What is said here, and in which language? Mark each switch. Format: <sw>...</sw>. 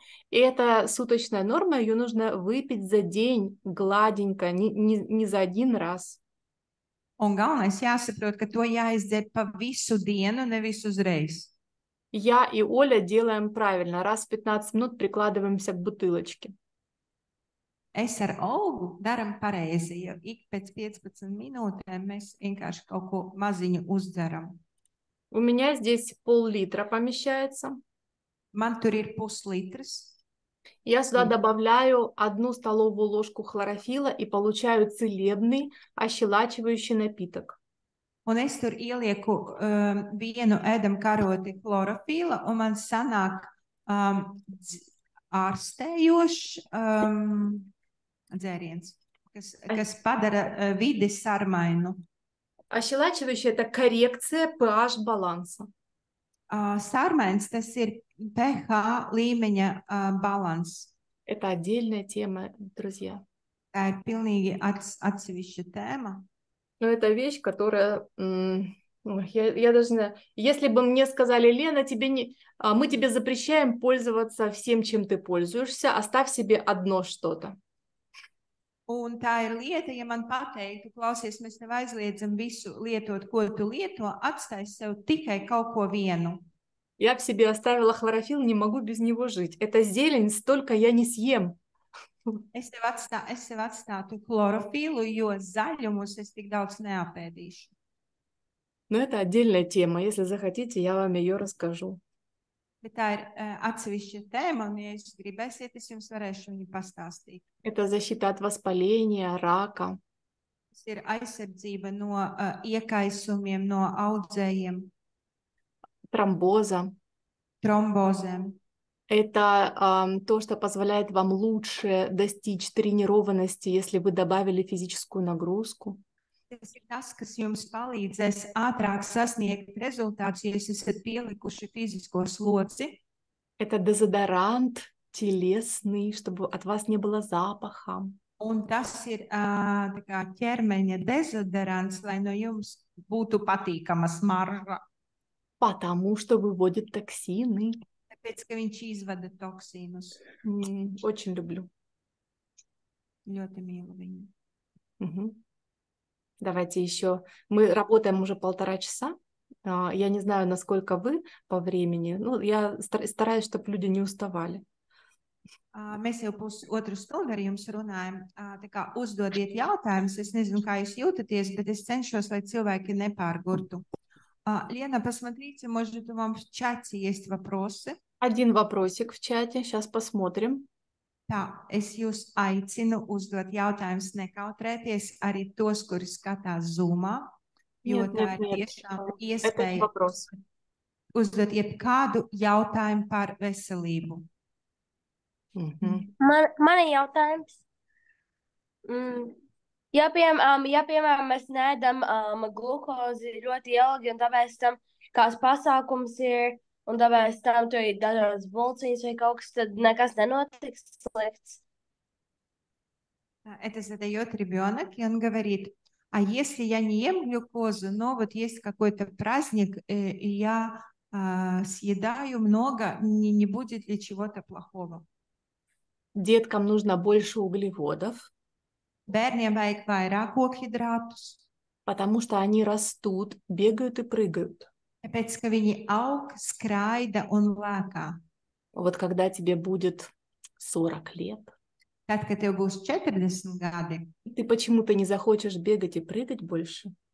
<ru>И эта суточная норма, ее нужно выпить за день гладенько, не за один раз.</ru> <lv>Un galvenais jāsaprot, ka to jāizdzer pa visu dienu, nevis uzreiz.</lv> <ru>Я и Оля делаем правильно. Раз в 15 минут прикладываемся к бутылочке.</ru> <lv>Es ar Olgu daram pareizi, jo ik pēc 15 minūtēm mēs vienkārši kaut ko maziņu uzdzeram.</lv> <ru>У меня здесь пол-литра помещается.</ru> <lv>Man tur ir</lv> <ru>пус-литрs. Я сюда добавляю 1 столовую ложку хлорофилла и получаю целебный, ощелачивающий напиток.</ru> <lv>Un es tur ielieku vienu ēdamkaroti</lv> <ru>хлорофилла,</ru> <lv>un man sanāk ārstējošs dzēriens, kas padara vidi sarmainu.</lv> <ru>Ощелачивающий – это коррекция pH баланса.</ru> <lv>Sarmains, tas ir pH līmeņa balans.</lv> <ru>Это отдельная тема, друзья.</ru> <lv>Tā ir pilnīgi atsevišķa tēma.</lv> <ru>Ну, это вещь, которая... я должна... Если бы мне сказали, Лена, тебе не... мы тебе запрещаем пользоваться всем, чем ты пользуешься, оставь себе одно что-то.</ru> <lv>Un tā ir lieta, ja man pateiktu, klausies, mēs tev aizliedzam visu lietot, ko tu lieto, atstāj sev tikai kaut ko vienu.</lv> <ru>Я в себе оставила хлорофилл, не могу без него жить. Это зелень, столько я не съем.</ru> <lv>Es tev atstātu хлорофилу, jo zaļumus es tik daudz neapēdīšu.</lv> <ru>Ну, это отдельная тема, если захотите, я вам ее расскажу.</ru> <lv>Bet tā ir atsevišķa tēma, un ja jūs gribēsiet, es jums varēšu viņu pastāstīt.</lv> <ru>Это защита от воспаления, рака.</ru> <lv>Tas ir aizsardzība no iekaisumiem, no audzējiem.</lv> <ru>Тромбоза. Тромбоза. Это то, что позволяет вам лучше достичь тренированности, если вы добавили физическую нагрузку.</ru> <lv>Tas ir tas, kas jums palīdzēs ātrāk sasniegt rezultātus, ja jūs esat pielikuši fizisko sloci.</lv> <ru>Это дезодорант телесный, чтобы от вас не было запаха.</ru> <lv>Un tas ir tā kā ķermeņa dezodorants, lai no jums būtu patīkama smarža.</lv> <ru>Потому что выводит токсины.</ru> <lv>Tāpēc, ka viņš izvada toksīnus.</lv> <ru>Очень люблю.</ru> <lv>Ļoti mīlu viņu.</lv> <ru>Давайте еще. Мы работаем уже 1,5 часа. Я не знаю, насколько вы по времени. Ну, я стараюсь, чтобы люди не уставали.</ru> <lv>Mēs jau pus-otru stundu ar jums runājam. Tā kā uzdodiet jautājumus. Es nezinu, kā jūs jūtaties, bet es cenšos, lai cilvēki nepārgurtu.</lv> <ru>Лена, посмотрите, может, у вам в чате есть вопросы? Один вопросик в чате, сейчас посмотрим.</ru> <lv>Tā, es jūs aicinu uzdot jautājumus, nekautrēties arī tos, kuri skatās Zoomā, jo</lv> <ru>нет,</ru> <lv>tā</lv> <ru>нет,</ru> <lv>ir tiešām iespēja uzdot jebkādu jautājumu par veselību. Man ir jautājums. Ja piemēram, mēs neēdam glukozi ļoti ilgi, un tāpēc tam kāds pasākums ir, un tāpēc tam tur ir dažādas bulciņas vai kaut kas, tad nekas nenotiks slikts.</lv> <ru>Это задает ребенок, и он говорит, а если я не ем глюкозу, но вот есть какой-то праздник, и я съедаю много, не будет ли чего-то плохого? Деткам нужно больше углеводов.</ru> <lv>Bērniem vajag vairāk kohidrātus.</lv> <ru>Потому что они растут, бегают и прыгают.</ru> <lv>Tāpēc, ka viņi aug, skraida un lēkā.</lv> <ru>Вот когда тебе будет 40 лет, так, как ты был с 40 годами. Ты почему-то не захочешь бегать и прыгать больше.</ru>